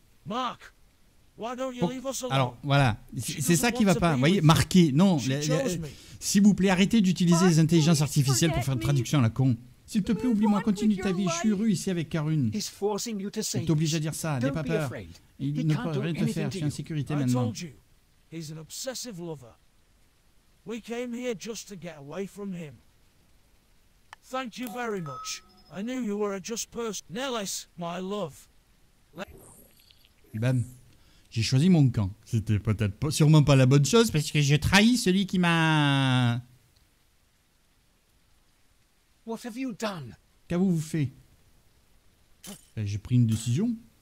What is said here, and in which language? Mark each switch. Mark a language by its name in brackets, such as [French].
[English] Mark, why don't you leave us alone? [French] Alors, voilà. C'est ça qui va pas. Vous voyez, marqué. Non. S'il vous plaît, arrêtez d'utiliser les intelligences artificielles pour faire une traduction à la con. S'il te plaît, oublie-moi, continue ta vie, je suis heureux ici avec Karune. Il t'oblige à dire ça, n'aie pas peur. Il ne peut rien te faire, je suis en sécurité maintenant. [English] He's an obsessive lover. We came here just to get away from him. Thank you very much. I knew you were a just person. Nélis, my love. [French] Bam. J'ai choisi mon camp. C'était peut-être pas, sûrement pas la bonne chose parce que je trahis celui qui m'a... [English] What have you done? [French] Qu'avez-vous fait? Ben, j'ai pris une décision.